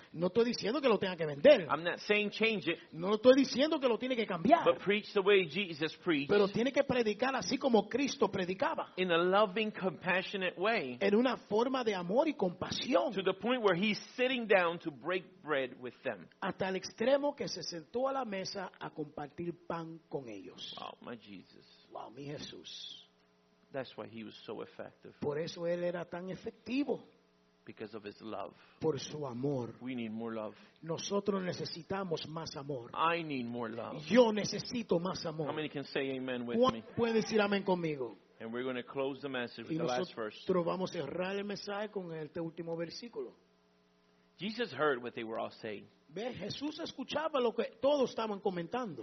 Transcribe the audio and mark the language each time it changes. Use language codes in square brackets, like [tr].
[es] No estoy diciendo que lo tenga que vender. [en] I'm not saying change it. [es] No estoy diciendo que lo tiene que cambiar. [en] But preach the way Jesus preached. [es] Pero tiene que predicar así como Cristo predicaba. [en] In a loving, compassionate way. [es] En una forma de amor y compasión. [en] To the point where he's sitting down to break bread with them. [es] Hasta el extremo que se sentó a la mesa a compartir pan con ellos. [en] Wow, my Jesus. [es] Wow, mi Jesús. [en] That's why he was so effective. [es] Por eso él era tan efectivo. [en] Because of his love. [es] Por su amor. [en] We need more love. [es] Nosotros necesitamos más amor. [en] I need more love. [es] Yo necesito más amor. [en] How many can say amen with me? [es] ¿Puede decir amén conmigo? [en] And we're going to close the message with the last verse. [es] Y nosotros vamos a cerrar el mensaje con este último versículo. [en] Jesus heard what they were all saying. [es] Ve, Jesús escuchaba lo que todos estaban comentando.